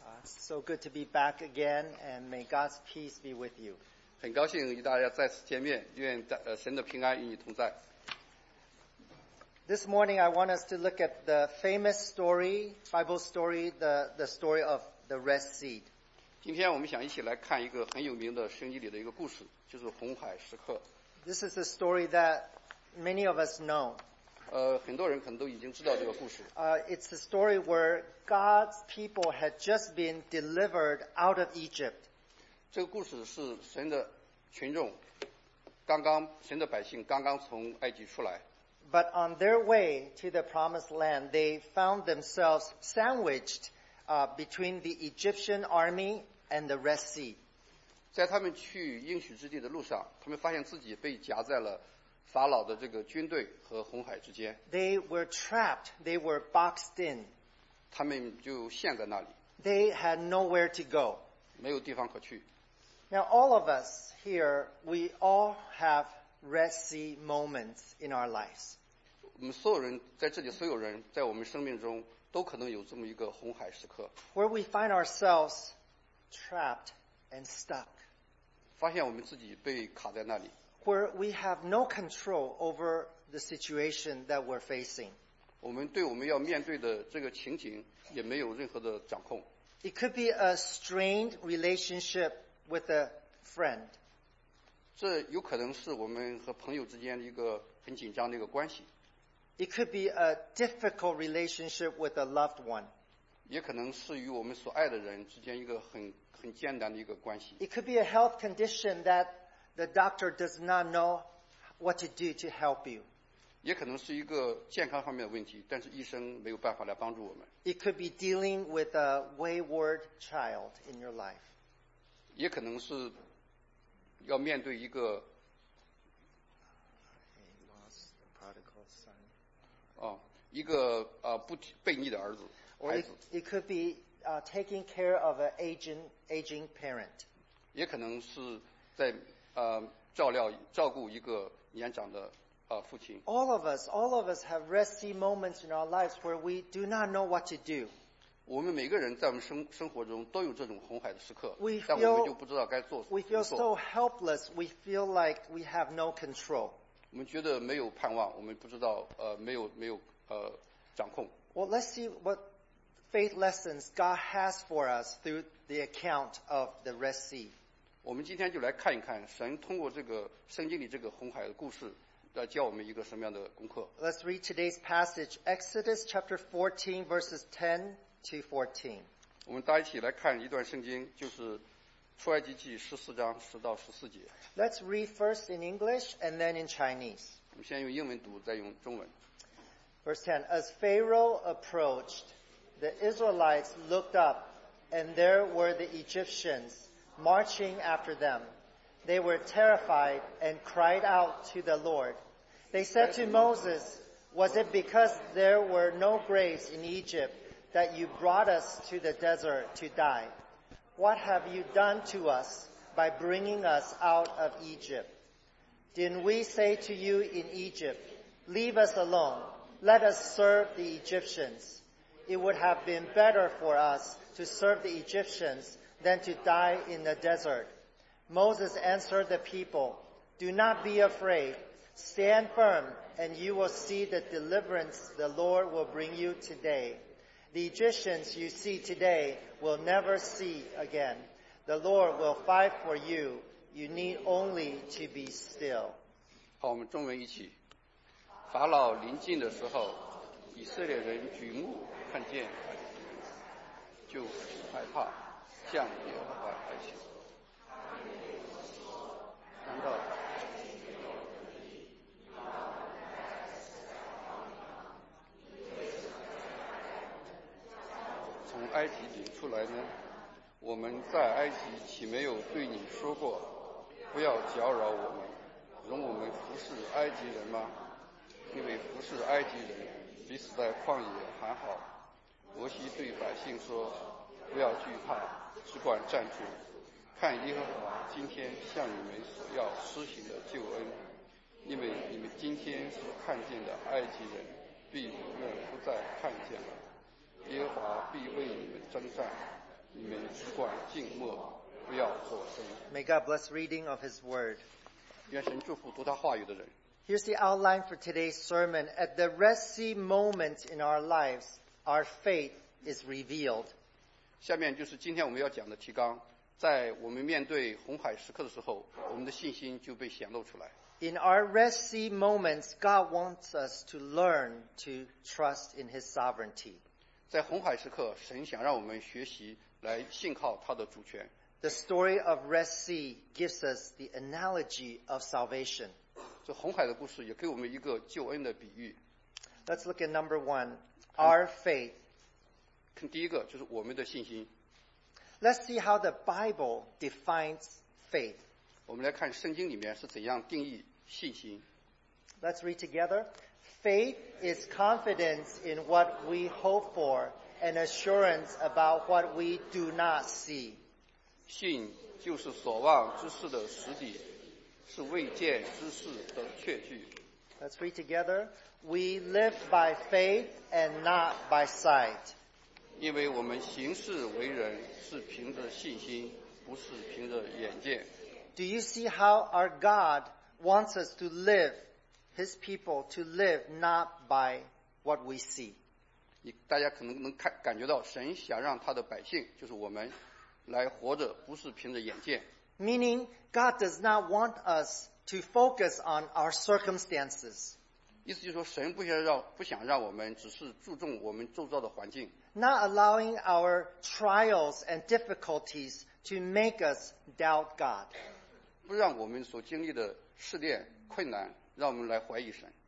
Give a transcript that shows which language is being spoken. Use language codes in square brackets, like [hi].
[en] So good to be back again, and may God's peace be with you. [zh] 很高兴与大家再次见面，愿神的平安与你同在。 [en] This morning, I want us to look at the famous story, Bible story, the story of the Red Sea. [zh] 今天我们想一起来看一个很有名的圣经里的一个故事，就是红海时刻。 [en] This is a story that many of us know. [zh] 很多人可能都已经知道这个故事。 [en] It's a story where God's people had just been delivered out of Egypt. [zh] 这个故事是神的群众刚刚神的百姓刚刚从埃及出来。 [en] But on their way to the promised land, they found themselves sandwiched, between the Egyptian army and the Red Sea. [zh] 在他们去应许之地的路上，他们发现自己被夹在了法老的这个军队和红海之间。 [en] They were trapped. They were boxed in. [zh] 他们就陷在那里。 [en] They had nowhere to go. [zh] 没有地方可去。 [en] Now all of us here, we all have Red Sea moments in our lives. [zh] 我们所有人在这里，所有人在我们生命中都可能有这么一个红海时刻。 [en] Where we find ourselves trapped and stuck. [zh] 发现我们自己被卡在那里。 [en] Where we have no control over the situation that we're facing. [zh] 我们对我们要面对的这个情景也没有任何的掌控。 [en] It could be a strained relationship with a friend. [zh] 这有可能是我们和朋友之间一个很紧张的一个关系。 [en] It could be a difficult relationship with a loved one. [zh] 也可能是与我们所爱的人之间一个很艰难的一个关系。 [en] It could be a health condition that the doctor does not know what to do to help you. [zh] 也可能是一个健康方面的问题，但是医生没有办法来帮助我们。 [en] It could be dealing with a wayward child in your life. [zh] 也可能是要面对一个 [en] a lost prodigal son. [zh] 一个不悖逆的儿子。 [en] Or it could be taking care of an aging parent. [zh] 也可能是在照顾一个年长的父亲。 [en] All of us have resting moments in our lives where we do not know what to do. [zh] 我们每个人在我们生活中都有这种红海的时刻。但我们就不知道该做。 [en] We feel so helpless. We feel like we have no control. [zh] 我们觉得没有盼望，我们不知道没有掌控。 [en] Well, let's see what faith lessons God has for us through the account of the Red Sea. [zh] 我们今天就来看一看神通过这个圣经里这个红海的故事来教我们一个什么样的功课。 [en] Let's read today's passage, Exodus chapter 14, verses 10 to 14. [zh] 我们大家一起来看一段圣经，就是出埃及记14章10到14节。 [en] Let's read first in English and then in Chinese. [zh] 我们先用英文读，再用中文。 [en] Verse 10, as Pharaoh approached, the Israelites looked up, and there were the Egyptians. Marching after them, they were terrified and cried out to the Lord. They said to Moses, was it because there were no graves in Egypt that you brought us to the desert to die? What have you done to us by bringing us out of Egypt? Didn't we say to you in Egypt, leave us alone, let us serve the Egyptians? It would have been better for us to serve the Egyptians,than to die in the desert. Moses answered the people, do not be afraid. Stand firm, and you will see the deliverance the Lord will bring you today. The Egyptians you see today will never see again. The Lord will fight for you. You need only to be still. [zh] 好，我们中文一起。法老临近的时候，以色列人举目看见，就害怕。向耶和华哀求，难道从埃及领出来呢？我们在埃及岂没有对你说过，不要搅扰我们，容我们服侍埃及人吗？因为服侍埃及人比死在旷野还好。摩西对百姓说，不要惧怕，只管站住，看耶和华今天向你们所要施行的救恩，因为你们今天所看见的埃及人必永远不再看见了。耶和华必为你们征战，你们只管静默，不要作声。 [en] May God bless reading of His word. [zh] 愿神祝福读他话语的人。 [en] Here's the outline for today's sermon. At the Red Sea moment in our lives, our faith is revealed. [zh] 下面就是今天我们要讲的提纲。在我们面对红海时刻的时候，我们的信心就被显露出来。 [en] In our Red Sea moments, God wants us to learn to trust in His sovereignty. [zh] 在红海时刻，神想让我们学习来信靠他的主权。 [en] The story of Red Sea gives us the analogy of salvation. [zh] 这红海的故事也给我们一个救恩的比喻。 [en] Let's look at number one, our faith. [zh] 第一个就是我们的信心。 [en] Let's see how the Bible defines faith. [zh] 我们来看圣经里面是怎样定义信心。 [en] Let's read together. Faith is confidence in what we hope for and assurance about what we do not see. [zh] 信就是所望之事的实底，是未见之事的确据。 [en] Let's read together. We live by faith and not by sight. [zh] 因为我们行事为人是凭着信心，不是凭着眼见。 [en] Do you see how our God wants us to live, His people to live not by what we see? [zh] 大家可能能感觉到神想让他的百姓，就是我们，来活着不是凭着眼见。 [en] Meaning, God does not want us to focus on our circumstances. [zh] 意思就是说神不想让我们只是注重我们周遭的环境。 [en] Not allowing our trials and difficulties to make us doubt God. [zh] 不让我们所经历的试炼困难让我们来怀疑神。